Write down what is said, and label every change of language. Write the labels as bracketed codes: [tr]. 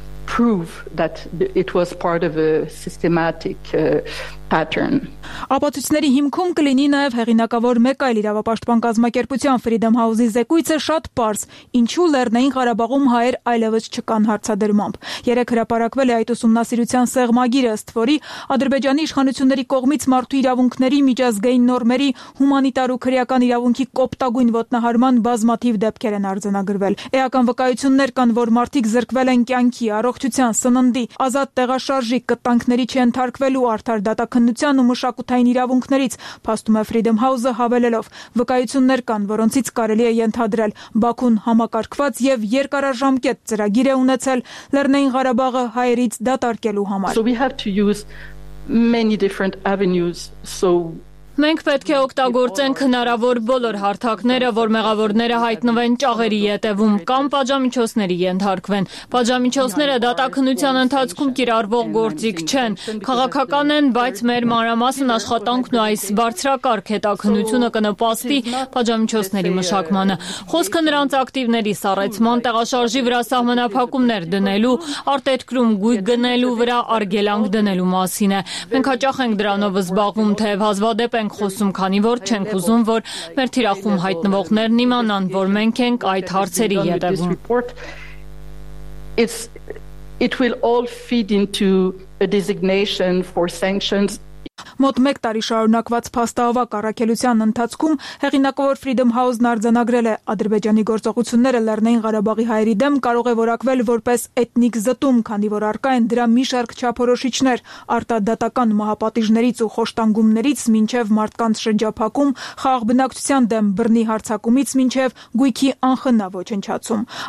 [en] Prove that it was part of a systematic pattern. [hy] Ապացույցների հիմքում կլինի նաև հեղինակավոր մեկ այլ իրավապաշտպան կազմակերպության Freedom House-ի զեկույցը շատ պարզ. Ինչու Լեռնային Ղարաբաղում հայեր այլևս չկան հարցադրմամբ։ Երեք հրապարակվել է այդ ուսումնասիրության սեղմագիրը, ըստ որի Ադրբեջանի իշխանությունների կողմից մարդու իրավունքների, միջազգային նորմերի, հումանիտար ու քրեական իրավունքի կոպտագույն ոտնահարման բազմաթիվ դեպքեր են արձանագրվել։ Էական վկայություններ կան, որ մարդիկ զրկվել են կյանքի, առողջության, սննդի, ազատ տեղաշարժի, կտանքների չենթարկվելու արդար դատաքննության ու մշակութային իրավունքներից, փաստում է Freedom House-ը հավելելով. Վկայություններ կան, որոնցից կարելի է ենթադրել. Բաքուն համակարգված և երկարաժամկետ ծրագիր է ունեցել Լեռնային Ղարաբաղը հայերից դատարկելու համար. [en] So we have to use many different avenues so [hy] Մենք պետք է օգտագործենք հնարավոր բոլոր հարթակները, որ մեղավորները հայտնվեն ճաղերի ետևում կամ պատժամիջոցների ենթարկվեն։ Պատժամիջոցները դատաքննության ընթացքում կիրառվող գործիք չեն, քաղաքական են, բայց մեր մանրամասն աշխատանքն ու այս բարձրակարգ հետաքննությունը կնպաստի պատժամիջոցների մշակմանը։ Խոսքը նրանց ակտիվների սառեցման, տեղաշարժի վրա սահմանափակումներ դնելու, արտերկրում գույք գնելու վրա արգելանք դնելու մասին է։ Մենք հաճախ ենք դրանով զբաղվում, թեև հազվադեպ ենք խոսում, քանի որ չենք ուզում, որ մեր թիրախում հայտնվողներն իմանան, որ մենք ենք այդ հարցերի ետևում։ [en] It will all feed into a designation for sanctions. [hy] Մոտ մեկ տարի շարունակված փաստաավակ առաքելության ընթացքում հեղինակավոր Freedom House-ն արձանագրել է Ադրբեջանի գործողությունները Լեռնային Ղարաբաղի հայերի դեմ կարող է որակվել որպես էթնիկ զտում, քանի որ առկա են դրա մի շարք չափորոշիչներ՝ արտադատական մահապատիժներից ու խոշտանգումներից մինչև մարդկանց շրջափակում, խաղաղ բնակչության դեմ բռնի հարձակումից մինչև գույքի անխնա ոչնչացում։